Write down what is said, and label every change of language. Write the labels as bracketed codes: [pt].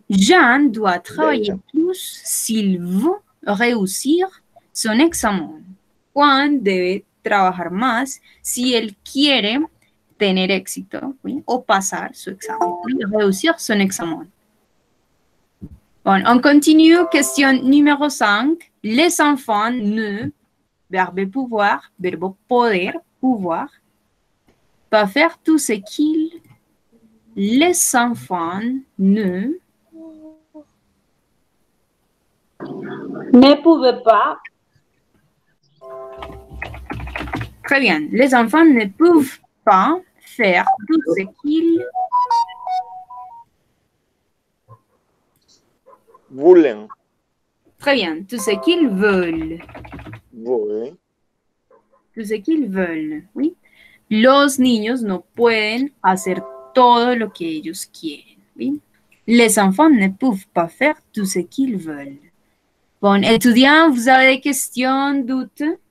[fr] Jeanne doit travailler plus s'il veut réussir son examen. [es] Juan debe trabajar más si él quiere tener éxito, ¿sí? O pasar su examen, ¿sí? [fr] Réussir son examen. Bon, on continue. Question numéro 5. Les enfants ne, verbe pouvoir, verbe poder, pouvoir, pas faire tout ce qu'ils. Les enfants ne. Ne pouvaient pas. Très bien. Les enfants ne peuvent pas faire tout ce qu'ils. Voulaient. Très bien. Tout ce qu'ils veulent. Voulaient. Tout ce qu'ils veulent. Oui. [es] Los niños no pueden hacer todo lo que ellos quieren. ¿Sí? [fr] Les enfants ne peuvent pas faire tout ce qu'ils veulent. Bon, étudiant, vous avez des questions, doutes?